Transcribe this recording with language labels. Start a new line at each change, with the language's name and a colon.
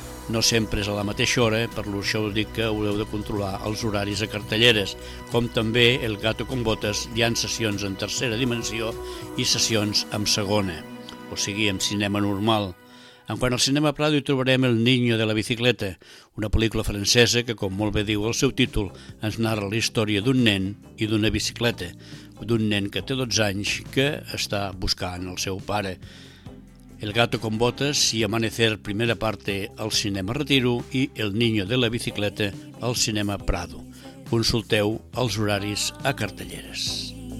Catalan: No sempre és a la mateixa hora, per això us dic que haureu de controlar els horaris a cartelleres, com també El gato con botas, hi ha sessions en tercera dimensió i sessions en segona, o sigui, en cinema normal. En quant al cinema Prado hi trobarem El niño de la bicicleta, una pel·lícula francesa que, com molt bé diu el seu títol, ens narra la història d'un nen i d'una bicicleta, d'un nen que té 12 anys que està buscant el seu pare.
Spanish: El gato con botas y Amanecer, primera parte, al cinema Retiro, y El niño de la bicicleta, al cinema Prado.
Catalan: Consulteu els horaris a cartelleres.